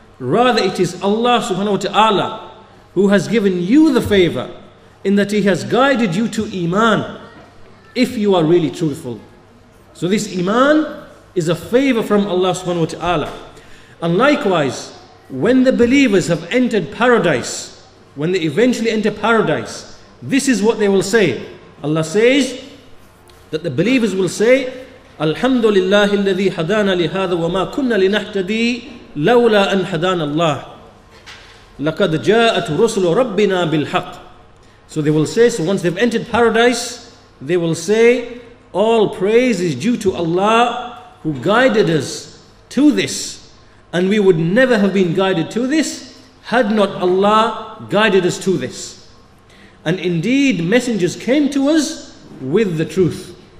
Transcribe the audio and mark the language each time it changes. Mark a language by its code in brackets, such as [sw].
[en] Rather, it is Allah subhanahu wa ta'ala who has given you the favor in that He has guided you to iman if you are really truthful. So this iman is a favor from Allah subhanahu wa ta'ala. And likewise, when the believers have entered paradise, when they eventually enter paradise, this is what they will say. Allah says that the believers will say, [ar] الحمد لله الذي هدانا لهذا وما كنا لنهتدي لولا أن هدانا الله لقد جاءت رسل ربنا بالحق. [en] So they will say, so once they've entered paradise, they will say, all praise is due to Allah who guided us to this, and we would never have been guided to this had not Allah guided us to this. And indeed, messengers came to us with the truth.